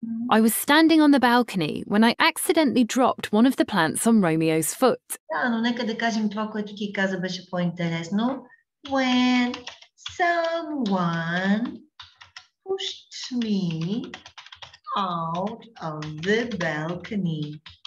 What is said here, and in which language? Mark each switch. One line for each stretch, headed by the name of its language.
English: I was standing on the balcony when I accidentally dropped one of the plants on Romeo's foot.
Bulgarian: Да, но нека да кажем това, което ти каза, беше по-интересно.
English: When someone pushed me out of the balcony.